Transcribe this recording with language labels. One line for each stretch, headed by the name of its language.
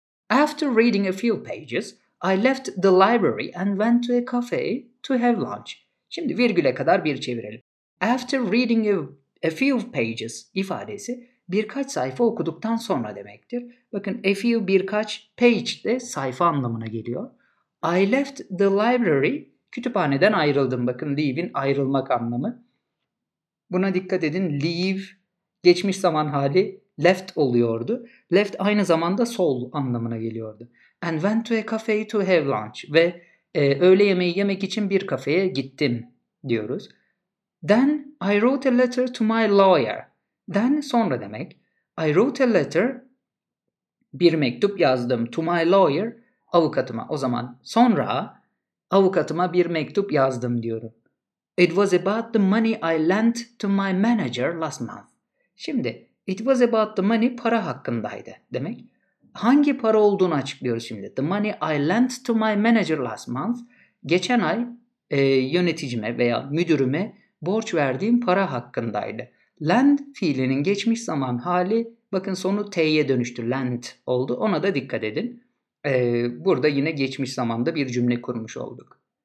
English: After reading a few pages, I left the library and went to a cafe to have lunch.
Turkish: Şimdi virgüle kadar bir çevirelim.
English: After reading a few pages
Turkish: ifadesi birkaç sayfa okuduktan sonra demektir. Bakın a few birkaç, page de sayfa anlamına geliyor.
English: I left the library,
Turkish: kütüphaneden ayrıldım. Bakın leave'in ayrılmak anlamı. Buna dikkat edin, leave geçmiş zaman hali left oluyordu. Left aynı zamanda sol anlamına geliyordu.
English: And went to a cafe to have lunch.
Turkish: Ve öğle yemeği yemek için bir kafeye gittim diyoruz.
English: Then I wrote a letter to my lawyer.
Turkish: Then sonra demek.
English: I wrote a letter,
Turkish: bir mektup yazdım
English: to my lawyer,
Turkish: avukatıma. O zaman sonra avukatıma bir mektup yazdım diyorum.
English: It was about the money I lent to my manager last month.
Turkish: Şimdi,
English: it was about the money,
Turkish: para hakkındaydı demek. Hangi para olduğunu açıklıyoruz şimdi.
English: The money I lent to my manager last month.
Turkish: Geçen ay yöneticime veya müdürüme borç verdiğim para hakkındaydı. Lend fiilinin geçmiş zaman hali, bakın sonu T'ye dönüştü. Lend oldu. Ona da dikkat edin. Burada yine geçmiş zamanda bir cümle kurmuş olduk.